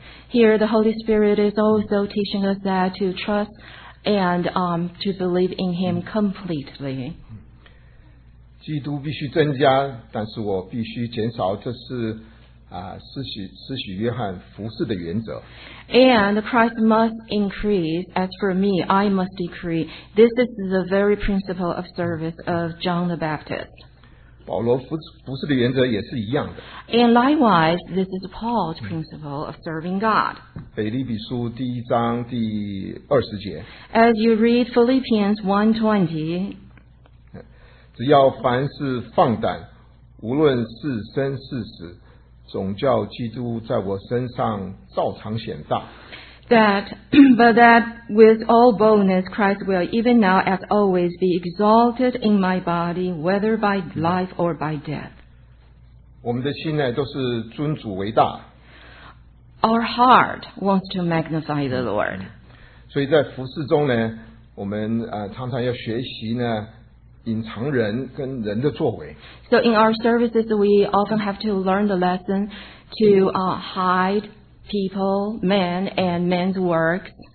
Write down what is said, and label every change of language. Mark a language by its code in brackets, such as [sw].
[en] Here the Holy Spirit is also teaching us that to trust and to believe in Him completely. [zh] 基督必须增加,但是我必须减少, 这是施洗约翰服事的原则。 [en] And Christ must increase, as for me, I must decree. This is the very principle of service of John the Baptist. [zh] 保罗服事的原则也是一样的。 [en] And likewise, this is Paul's principle of serving God. [zh] 腓立比书第一章第二十节。 [en] As you read Philippians 1:20, [zh] 只要凡事放胆, 无论是生是死, 总叫基督在我身上照常显大。 [en] But that with all boldness Christ will even now as always be exalted in my body, whether by life or by death. [zh] 我们的心呢,都是尊主为大, [en] Our heart wants to magnify the Lord. [zh] 所以在服事中呢,我们常常要学习呢, 隐藏人跟人的作为。 [en] So in our services, we often have to learn the lesson to hide people, men, and men's works.